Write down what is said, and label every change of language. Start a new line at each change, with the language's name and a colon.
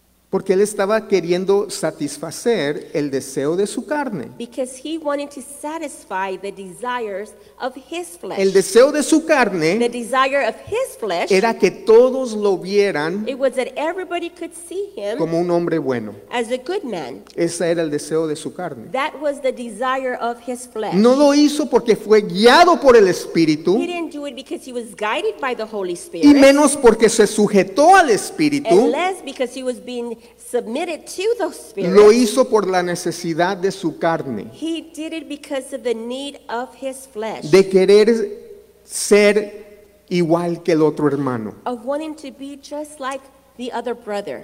Spanish: Porque él estaba queriendo satisfacer el deseo de su carne.
English: Because he wanted to satisfy the desires of his flesh.
Spanish: El deseo de su carne.
English: The desire of his flesh.
Spanish: Era que todos lo vieran.
English: It was that everybody could see him.
Spanish: Como un hombre bueno.
English: As a good man.
Spanish: Ese era el deseo de su carne.
English: That was the desire of his flesh.
Spanish: No lo hizo porque fue guiado por el Espíritu.
English: He didn't do it because he was guided by the Holy Spirit.
Spanish: Y menos porque se sujetó al Espíritu.
English: And less because he was being submitted to the Spirit.
Spanish: Lo hizo por la necesidad de su carne.
English: He did it because of the need of his flesh.
Spanish: De querer ser igual que el otro hermano.
English: Of wanting to be just like the other brother.